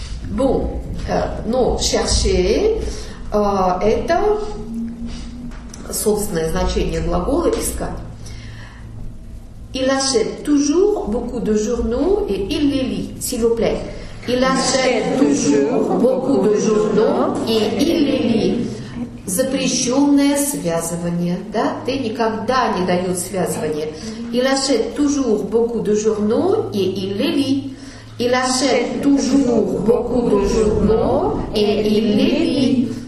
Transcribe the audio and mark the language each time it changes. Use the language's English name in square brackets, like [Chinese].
[Russian] Bon, но chercher, это собственное значение глагола искать. [French] Il achète toujours beaucoup de journaux et il les lit, s'il vous plaît. Il achète toujours beaucoup de journaux et il les lit. [Russian] Запрещенное связывание, да? Ты никогда не даешь связывание. [French] Il achète toujours beaucoup de journaux et il les lit. Il achète toujours beaucoup de journaux et il les lit.